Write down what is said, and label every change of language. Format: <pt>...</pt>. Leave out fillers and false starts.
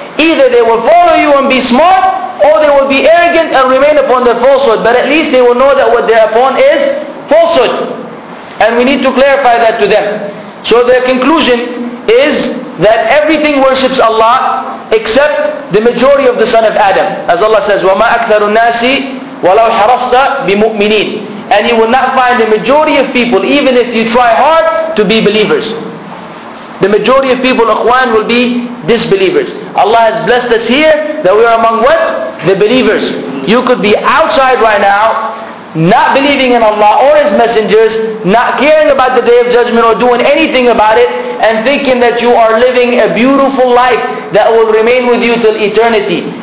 <en>Either they will follow you and be smart, or they will be arrogant and remain upon their falsehood. But at least they will know that what they're upon is falsehood. And we need to clarify that to them. So their conclusion is that everything worships Allah except the majority of the son of Adam.</en> <ar>As Allah says, وَمَا أَكْثَرُ النَّاسِ وَلَوْ حَرَصْتَ بِمُؤْمِنِينَ.</ar> <en>And you will not find the majority of people, even if you try hard, to be believers. The majority of people, ikhwan, will be disbelievers. Allah has blessed us here that we are among what? The believers. You could be outside right now, not believing in Allah or His messengers, not caring about the Day of Judgment or doing anything about it, and thinking that you are living a beautiful life that will remain with you till eternity.</en>